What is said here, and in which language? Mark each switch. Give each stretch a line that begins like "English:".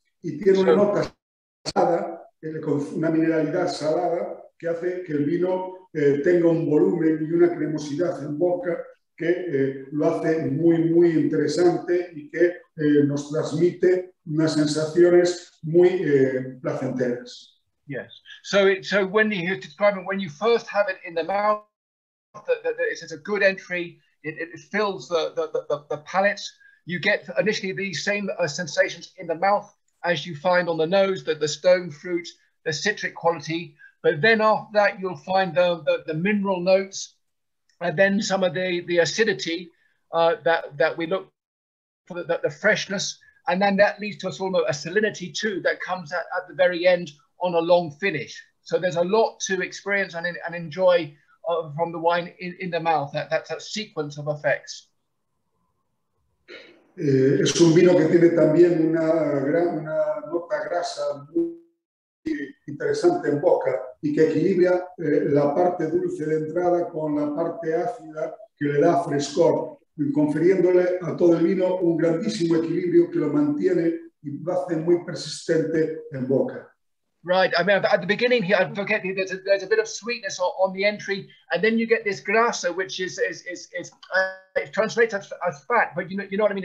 Spanish: Y tiene una nota salada, con una mineralidad salada, que hace que el vino tenga un volumen y una cremosidad en boca que lo hace muy, muy interesante y que nos transmite unas sensaciones muy placenteras.
English: Yes. So when he was describing when you first have it in the mouth, that it's a good entry. It fills the palate. You get initially these same sensations in the mouth as you find on the nose, that the stone fruit, the citric quality. But then after that, you'll find the mineral notes, and then some of the acidity that we look for, the freshness. And then that leads to a sort of a salinity too that comes at the very end on a long finish. So there's a lot to experience and enjoy from the wine in the mouth. That's a sequence of effects.
Spanish: Es un vino que tiene también una nota grasa muy interesante en boca y que equilibra la parte dulce de entrada con la parte ácida que le da frescor, confiriéndole a todo el vino un grandísimo equilibrio que lo mantiene y lo hace muy persistente en boca.
English: Right, I mean, at the beginning here, I forget, there's a bit of sweetness on the entry, and then you get this grasa, which is it translates as fat, but you know what I mean?